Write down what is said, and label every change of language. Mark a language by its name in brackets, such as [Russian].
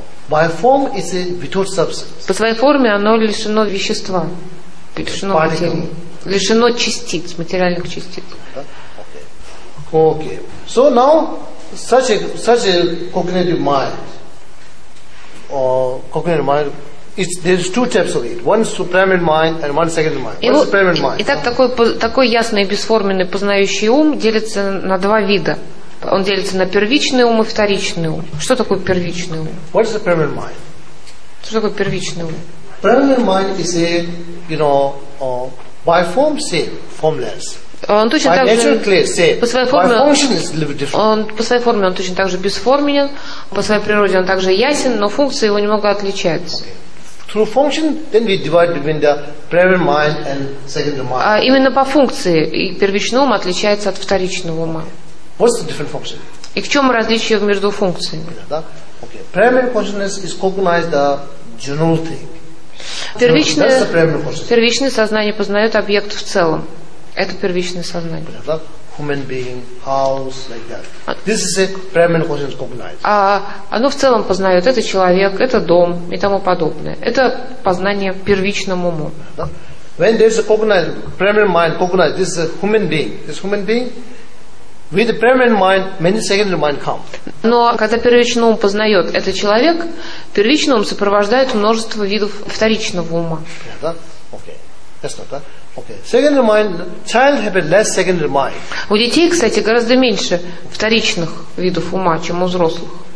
[English] By form is a without substance. [Russian] По своей форме оно лишено вещества, лишено материи, лишено частиц, материальных частиц. [English] Okay. So now such a cognitive mind, there's two types of it. One supreme mind and one second mind. What's supreme mind? [Russian] Итак, такой ясный бесформенный познающий ум делится на два вида. Он делится на первичный ум и вторичный ум. Что такое первичный ум? [English] What is the primary mind? [Russian] Что такое первичный ум? [English] Primary mind is a, you know, by form same, formless. [Russian] Он точно [English] by [Russian] так [English] nature, [Russian] же [English] clear, same. [Russian] По своей форме, [English] by function is a little different. [Russian] Он по своей форме он точно так же бесформенен, по своей природе он также ясен, но функции его немного отличаются. [English] Through function, then we divide between the primary mind and secondary mind. [Russian] А именно по функции и первичный ум отличается от вторичного ума. [English] What's the different function? [Russian] И в чем различие между функциями? [English] Okay. Primary consciousness is cognized the general thing. [Russian] Первичное, so первичное сознание познает объект в целом. Это первичное сознание. [English] Human being, house, like that. This is a primary consciousness cognized. [Russian] А оно в целом познает. Это человек, это дом и тому подобное. Это познание первичному уму. [English] When there's a cognized, primary mind cognized, this is a human being. This human being. With the primary mind, many secondary mind come. [Russian] Но когда первичный ум познает, это человек, первичный ум сопровождает множество видов вторичного ума. [English] Yeah, that? Okay. That's not that. Okay. Secondary mind, child have less secondary mind. [Russian] У детей, кстати, гораздо меньше вторичных видов ума, чем у взрослых.